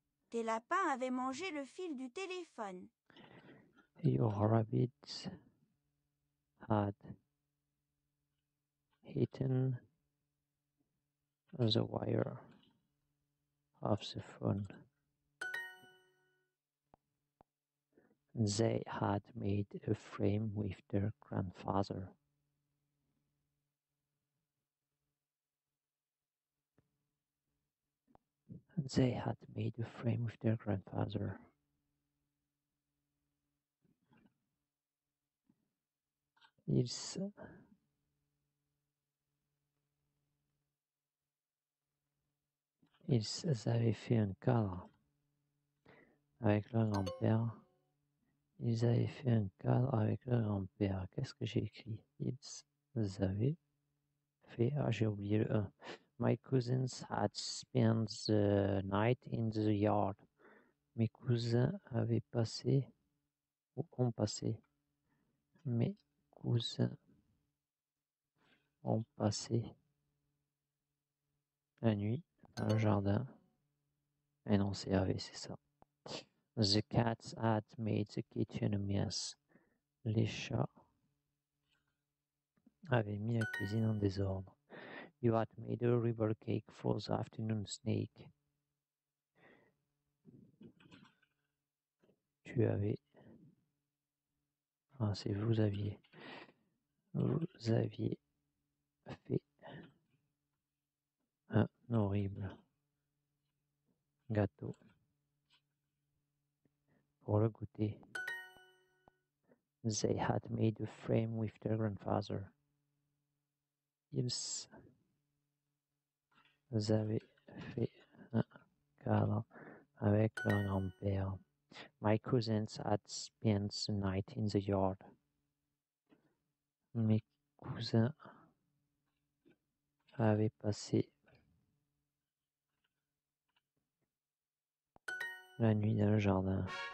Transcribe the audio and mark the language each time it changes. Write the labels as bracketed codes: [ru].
[fr] Tes lapins avaient mangé le fil du téléphone. [en] Your rabbits had eaten the wire of the phone. They had made a frame with their grandfather. They had made a frame with their grandfather. [fr] Ils avaient fait un cadre avec leur grand-père. Ils avaient fait un cadre avec leur grand-père. Qu'est-ce que j'ai écrit? Ils avaient fait. Ah, j'ai oublié le 1. [en] My cousins had spent the night in the yard. [fr] Mes cousins avaient passé ou ont passé. Mes cousins ont passé la nuit dans le jardin. Et non, c'est Hervé, c'est ça. [en] The cats had made the kitchen a mess. [fr] Les chats avaient mis la cuisine en désordre. [en] You had made a river cake for the afternoon snake. [fr] Tu avais. Ah, c'est vous aviez. Vous aviez fait un horrible gâteau pour le goûter. [en] They had made a frame with their grandfather. [fr] Vous avez fait un cadre avec leur grand-père. [en] My cousins had spent the night in the yard. [fr] Mes cousins avaient passé la nuit dans le jardin.